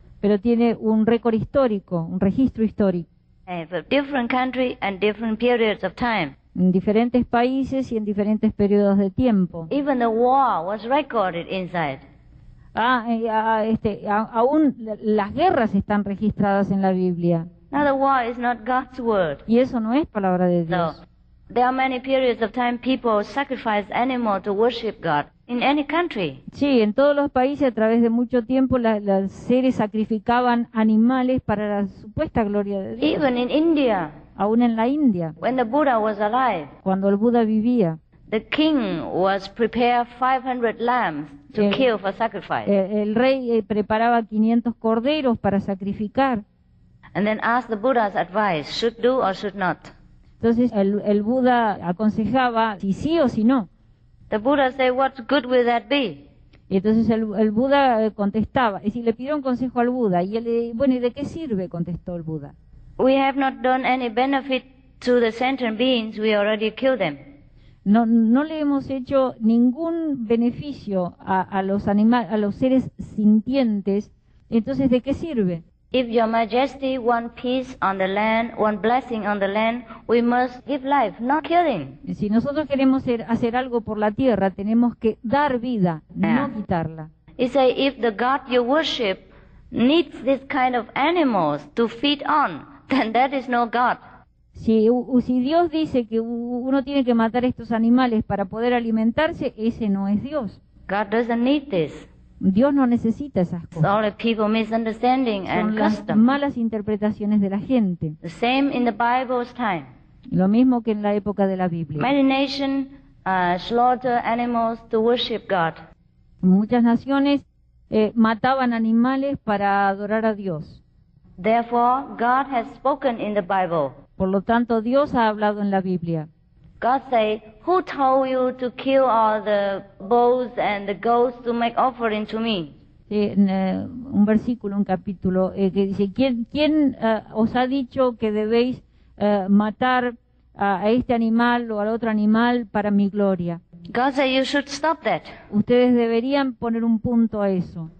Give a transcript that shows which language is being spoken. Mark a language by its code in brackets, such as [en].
[es] Pero tiene un récord histórico, un registro histórico. [en] For different country and different periods of time. [es] En diferentes países y en diferentes periodos de tiempo. [en] Even the war was recorded inside. [es] Aún las guerras están registradas en la Biblia. [en] Now the war is not God's word. [es] Y eso no es palabra de Dios. [en] So, there are many periods of time people sacrifice animal to worship God in any country. [es] Sí, en todos los países a través de mucho tiempo las seres sacrificaban animales para la supuesta gloria de Dios. [en] Even in India. [es] Aún en la India, [en] when the Buddha was alive, [es] cuando el Buda vivía, [en] the king was prepared 500 lambs to kill for sacrifice. [es] El rey preparaba 500 corderos para sacrificar. [en] And then asked the Buddha's advice, should do or should not. [es] Entonces el Buda aconsejaba si sí o si no. [en] The Buddha said, what good will that be? [es] Y entonces el Buda contestaba, y si le pidió un consejo al Buda, y él le dijo, bueno, ¿y de qué sirve? Contestó el Buda. [en] we have not done any benefit to the sentient beings, we already killed them. [es] No le hemos hecho ningún beneficio a los animales, a los seres sintientes. Entonces, ¿de qué sirve? [en] If Your Majesty want peace on the land, want blessing on the land, we must give life, not killing. [es] Si nosotros queremos hacer algo por la tierra, tenemos que dar vida, yeah, no quitarla. [en] He say, if the God you worship needs this kind of animals to feed on, then that is no God. [es] Si Dios dice que uno tiene que matar estos animales para poder alimentarse, ese no es Dios. [en] God doesn't need this. [es] Dios no necesita esas cosas. [en] It's all the people misunderstanding and custom. [es] Son malas interpretaciones de la gente. [en] The same in the Bible's time. [es] Lo mismo que en la época de la Biblia. [en] Many nations slaughter animals to worship God. [es] Muchas naciones mataban animales para adorar a Dios. [en] Therefore, God has spoken in the Bible. [es] Por lo tanto, Dios ha hablado en la Biblia. [en] God say, who told you to kill all the bulls and the goats to make offering to me? [es] Sí, un versículo, un capítulo que dice, ¿quién os ha dicho que debéis matar a este animal o al otro animal para mi gloria? [en] God say, you should stop that. [es] Ustedes deberían poner un punto a eso.